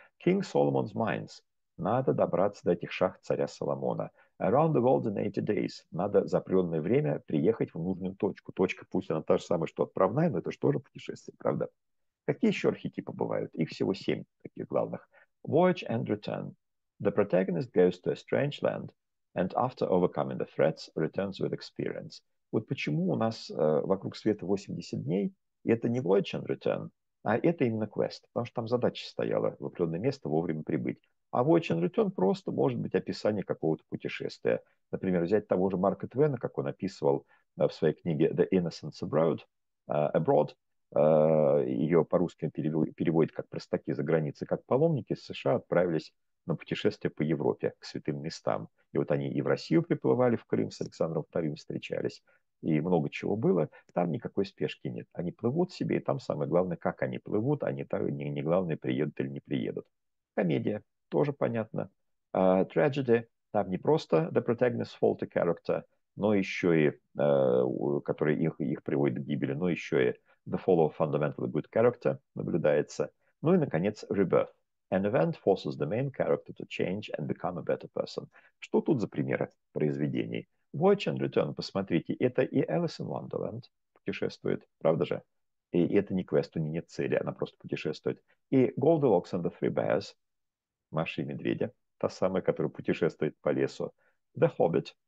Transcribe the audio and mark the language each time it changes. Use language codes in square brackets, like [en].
[ru] King Solomon's Mines, надо добраться до этих шахт царя Соломона. [en] Around the world in 80 days. [ru] Надо за определенное время приехать в нужную точку. Точка, пусть она та же самая, что отправная, но это же тоже путешествие, правда? Какие еще архетипы бывают? Их всего семь таких главных. [en] Voyage and return. The protagonist goes to a strange land and after overcoming the threats, returns with experience. [ru] Вот почему у нас вокруг света 80 дней, и это не [en] voyage and return, [ru] а это именно квест, потому что там задача стояла в определенное место вовремя прибыть. А [en] Voyage and Return [ru] просто может быть описание какого-то путешествия. Например, взять того же Марка Твена, как он описывал в своей книге «The Innocents Abroad», ее по-русски переводит как «простаки за границей», как паломники из США отправились на путешествие по Европе к святым местам. И вот они и в Россию приплывали, в Крым с Александром II встречались, и много чего было. Там никакой спешки нет. Они плывут себе, и там самое главное, как они плывут, а не главное, приедут или не приедут. Комедия. Тоже понятно. Tragedy. Там не просто [en] the protagonist's faulty character, [ru] но еще и который их приводит к гибели, но еще и [en] the fall of fundamentally good character [ru] наблюдается. Ну и, наконец, rebirth. [en] An event forces the main character to change and become a better person. [ru] Что тут за примеры произведений? [en] Voyage and Return, [ru] посмотрите, это и Alice in Wonderland путешествует, правда же? И это не квест, у нее нет цели, она просто путешествует. И Goldilocks and the Three Bears, Маша и Медведя, та самая, которая путешествует по лесу. The Hobbit.